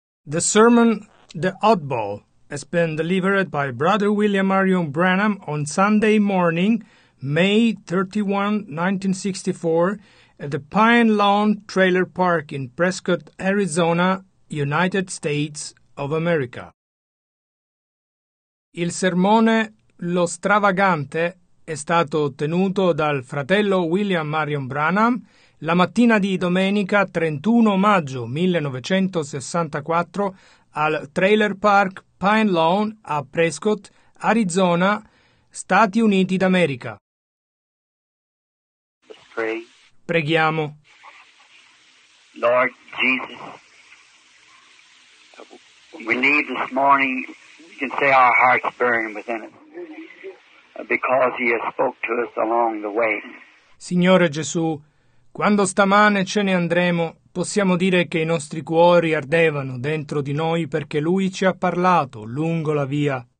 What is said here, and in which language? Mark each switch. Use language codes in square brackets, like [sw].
[en] The sermon, The Oddball, has been delivered by Brother William Marion Branham on Sunday morning, May 31, 1964, at the Pine Lawn Trailer Park in Prescott, Arizona, United States of America. [it] Il sermone Lo Stravagante è stato tenuto dal fratello William Marion Branham la mattina di domenica 31 maggio 1964 al Trailer Park Pine Lawn a Prescott, Arizona, Stati Uniti d'America. Preghiamo. [en] Lord Jesus, we leave this morning, we can say our hearts burning within us, because he has spoke to us along the way. [it] Signore Gesù, quando stamane ce ne andremo, possiamo dire che i nostri cuori ardevano dentro di noi perché Lui ci ha parlato lungo la via.